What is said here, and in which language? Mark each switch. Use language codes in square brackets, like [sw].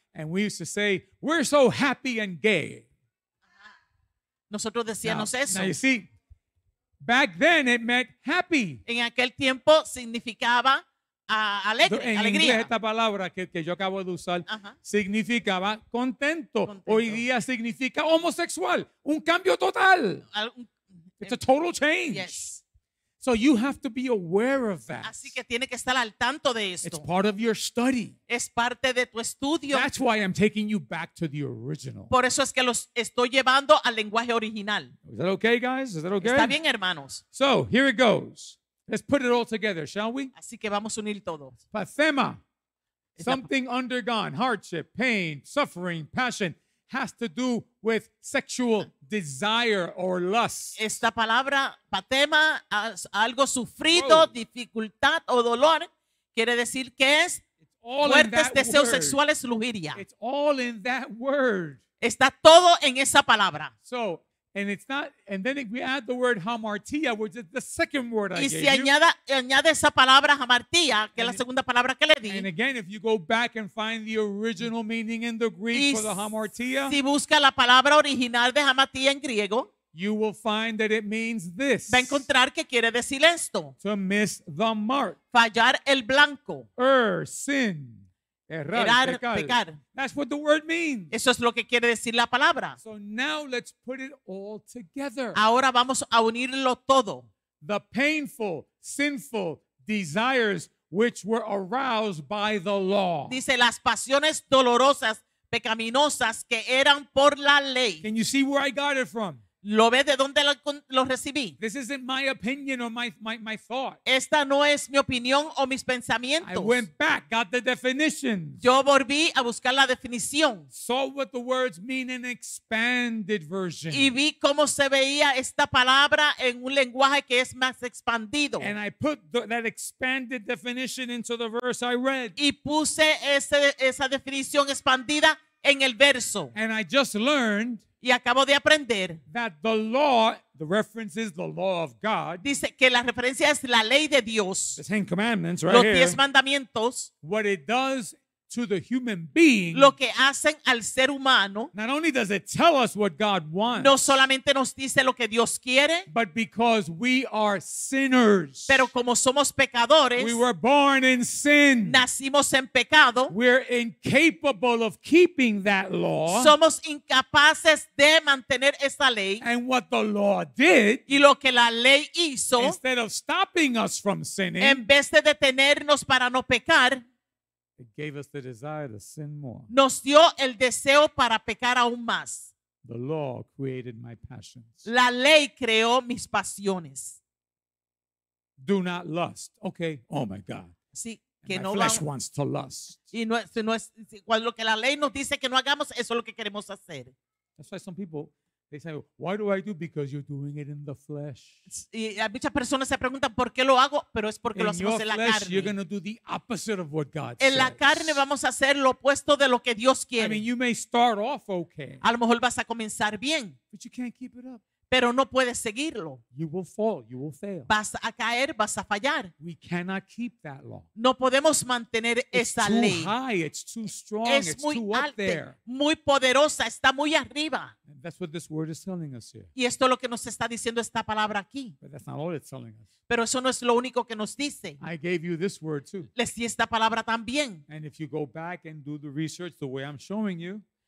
[en] And we used to say, we're so happy and gay. [es] Nosotros decíamos [en] now, [es] eso. [en] Now you see, back then it meant happy. [es] En aquel tiempo significaba alegría. En inglés esta palabra que yo acabo de usar significaba contento. Hoy día significa homosexual. Un cambio total. [en] It's a total change. Yes. So you have to be aware of that. [es] Así que tiene que estar al tanto de esto. [en] It's part of your study. [es] Es parte de tu estudio. [en] That's why I'm taking you back to the original. [es] Por eso es que los estoy llevando al lenguaje original. [en] Is that okay, guys? Is that okay? [es] Está bien, hermanos. [en] So here it goes. Let's put it all together, shall we? [es] Así que vamos a unir todos. [en] Pathema, something undergone, hardship, pain, suffering, passion, has to do with sexual desire or lust. [es] Esta palabra, patema, algo sufrido, whoa, dificultad o dolor, quiere decir que es fuertes deseos sexuales, lujuria. [en] It's all in that word. [es] Está todo en esa palabra. [en] So, and it's not, and then if we add the word hamartia, which is the second word I gave you. [es] Y si añade esa palabra hamartia, que es la segunda palabra que le di. [en] And again, if you go back and find the original meaning in the Greek for the hamartia, [es] si busca la palabra original de hamartia en griego, [en] you will find that it means this. [es] Va a encontrar que quiere decir esto. [en] To miss the mark. [es] Fallar el blanco. [en] Sin. [es] Errar, pecar. [en] That's what the word means. [es] Eso es lo que quiere decir la palabra. [en] So now let's put it all together. [es] Ahora vamos a unirlo todo. [en] The painful, sinful desires which were aroused by the law. [es] Dice las pasiones dolorosas, pecaminosas que eran por la ley. [en] Can you see where I got it from? [es] ¿Lo ves de dónde lo recibí? [en] This isn't my opinion or my thought. [es] Esta no es mi opinión o mis pensamientos. [en] I went back, got the definitions. [es] Yo volví a buscar la definición. [en] Saw what the words mean in expanded version. [es] Y vi cómo se veía esta palabra en un lenguaje que es más expandido. [en] And I put that expanded definition into the verse I read. [es] Y puse esa definición expandida en el verso. [en] And I just learned. [es] Y acabo de aprender [en] that the law, the reference is the law of God. [es] Dice que la referencia es la ley de Dios. [en] The Ten Commandments, right? [es] Los [en] 10 here, [es] mandamientos. [en] What it does to the human being. [es] Lo que hacen al ser humano. [en] Not only does it tell us what God wants. [es] No solamente nos dice lo que Dios quiere. [en] But because we are sinners. [es] Pero como somos pecadores. [en] We were born in sin. [es] Nacimos en pecado. [en] We're incapable of keeping that law. [es] Somos incapaces de mantener esa ley. [en] And what the law did. [es] Y lo que la ley hizo. [en] Instead of stopping us from sinning. [es] En vez de detenernos para no pecar. [en] It gave us the desire to sin more. [es] Nos dio el deseo para pecar aún más. [en] The law created my passions. [es] La ley creó mis pasiones. [en] Do not lust. Okay. Oh my God. [es] Sí, que my no flesh vamos, wants to lust. Y no es, cuando lo que la ley nos dice que no hagamos, eso es lo que queremos hacer. [en] That's why some people, they say, why do I do? Because you're doing it in the flesh. [es] Y muchas personas se preguntan, ¿por qué lo hago? Pero es porque [en] in [es] lo hacemos en la [en] flesh, [es] carne. [en] You're going to do the opposite of what God [es] en [en] says. [es] La carne vamos a hacer lo opuesto de lo que Dios quiere. [en] I mean, you may start off okay. [es] A lo mejor vas a comenzar bien. [en] But you can't keep it up. [es] Pero no puedes seguirlo. [en] You will fall, you will fail. [es] Vas a caer, vas a fallar. [en] We cannot keep that law. [es] No podemos mantener esa ley. [en] It's too high, it's too strong, [es] es [en] it's too [es] alte, [en] up there. [es] Muy poderosa, está muy arriba. [en] And that's what this word is telling us here. [es] Y esto es lo que nos está diciendo esta palabra aquí. [en] But that's not all it's telling us. [es] Pero eso no es lo único que nos dice. [en] I gave you this word too. [es] Les di esta palabra también. [en] And if you go back and do the research the way I'm showing you.